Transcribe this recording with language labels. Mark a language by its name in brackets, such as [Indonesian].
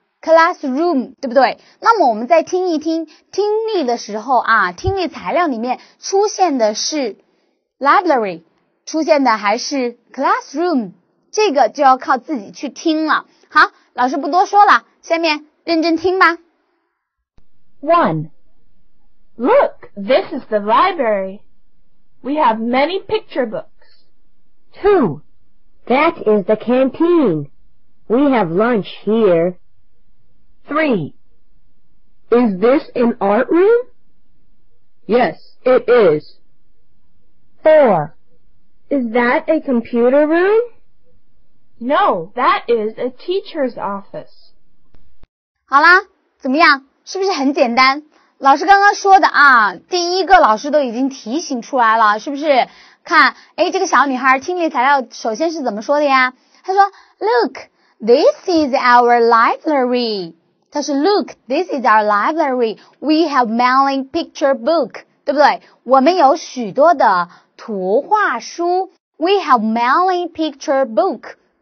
[Chinese] Classroom， 对不对？那么我们再听一听听力的时候啊，听力材料里面出现的是 library， 出现的还是 classroom， 这个就要靠自己去听了。好，老师不多说了，下面认真听吧。 [English] One. Look, this is the library. We have many picture books. Two. That is the canteen. We have lunch here. Three. Is this an art room? Yes, it is. Four. Is that a computer room? No, that is a teacher's office. [Chinese] 好啦，怎么样？是不是很简单？老师刚刚说的啊，第一个老师都已经提醒出来了，是不是？看，哎，这个小女孩听力材料首先是怎么说的呀？她说 [English] ,Look, this is our library. [Chinese] 但是 [English] look, this is our library. We have many picture book, [Chinese] 对不对？我们有许多的图画书。 [English] We have many picture book.